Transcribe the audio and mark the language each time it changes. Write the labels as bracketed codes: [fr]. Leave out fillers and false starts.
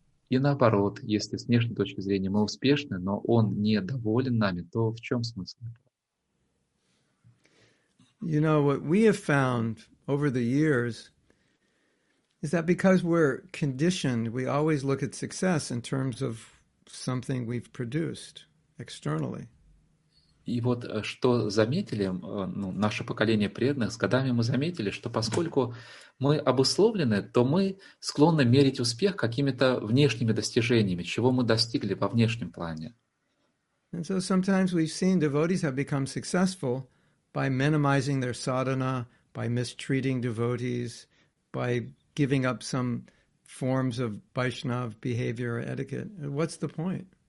[ru] И наоборот, если с внешней точки зрения мы успешны, но он недоволен нами, то в чем смысл? [en] You know, what we have found over the years is that because we're conditioned, we always look at success in terms of something we've produced externally. [ru] И вот что заметили, ну, наше поколение преданных, с годами мы заметили, что поскольку мы обусловлены, то мы склонны мерить успех какими-то внешними достижениями, чего мы достигли во внешнем плане. [en] And so sometimes we've seen devotees have become successful by minimizing their sadhana, by mistreating devotees, by giving up some forms of Vaishnav behavior or etiquette. What's the point?